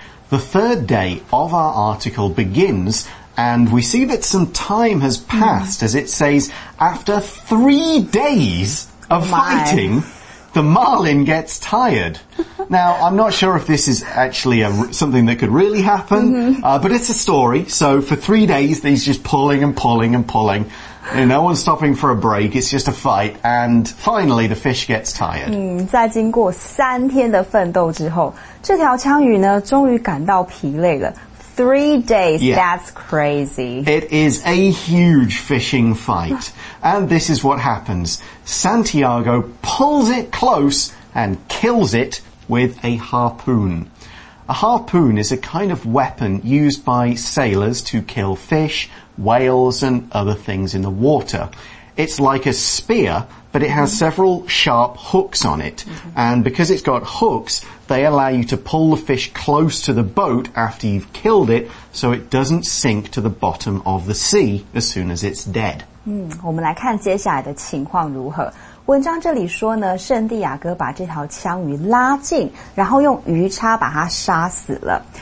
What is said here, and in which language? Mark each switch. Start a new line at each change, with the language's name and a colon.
English: The third day of our article begins, and we see that some time has passed, as it says, after 3 days of fighting, the Marlin gets tired. Now, I'm not sure if this is actually something that could really happen, but it's a story. So for 3 days, he's just pulling and pulling and pulling. And no one's stopping for a break, it's just a fight, and finally the fish gets tired.
Chinese: 在经过三天的奋斗之后，这条枪鱼呢，终于感到疲累了。
English: 3 days, yeah. That's crazy. It is a huge fishing fight, and this is what happens. Santiago pulls it close and kills it with a harpoon. A harpoon is a kind of weapon used by sailors to kill fish, whales, and other things in the water. It's like a spear, but it has several sharp hooks on it. And because it's got hooks, they allow you to pull the fish close to the boat after you've killed it, so it doesn't sink to the bottom of the sea as soon as it's dead.
Chinese: 我们来看接下来的情况如何。文章这里说呢，圣地亚哥把这条枪鱼拉近，然后用鱼叉把它杀死了。